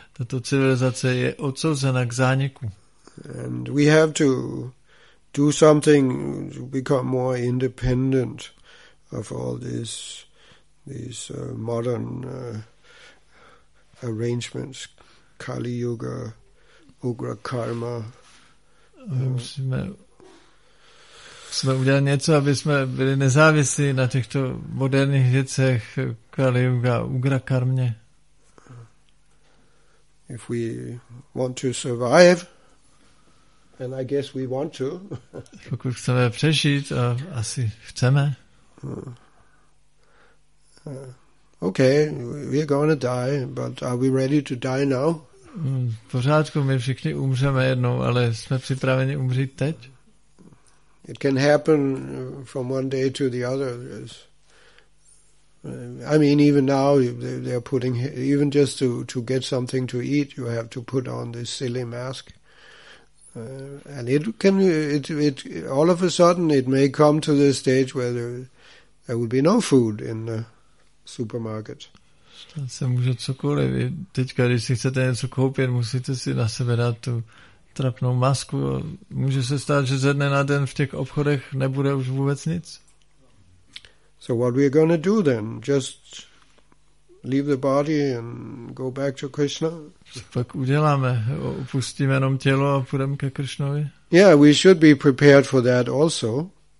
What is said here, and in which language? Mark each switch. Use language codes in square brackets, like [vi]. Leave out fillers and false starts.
[cs] Tato civilizace je odsouzena k zániku. [en] And we have to do something to become more independent of all these modern arrangements, Kali Yuga, Ugra Karma. [cs] Jsme udělali něco, aby jsme byli nezávislí na těchto moderních věcech Kali Yuga, Ugra Karmě. [en] If we want to survive, and I guess we want to. [cs] Pokud chceme přežít, a asi chceme. [en] Okay, we're going to die, but are we ready to die now? [cs] Pořádku, my všichni umřeme jednou, ale jsme připraveni umřít teď? [en] It can happen from one day to the other. I mean, even now they're putting, even just to get something to eat, you have to put on this silly mask. And it can all of a sudden it may come to the stage where there will be no food in the supermarket. [cs] Stát se může cokoliv. Teďka, když si chcete něco koupit, musíte si na sebe dát tu trapnou masku. Může se stát, že ze dne na den v těch obchodech nebude už vůbec nic? [en] So what we are going to do then? Just leave the body and go back to Krishna? [cs] Pak uděláme. Opustíme jenom tělo a půjdeme ke Krishnovi? [en] Yeah, we should be prepared for that also.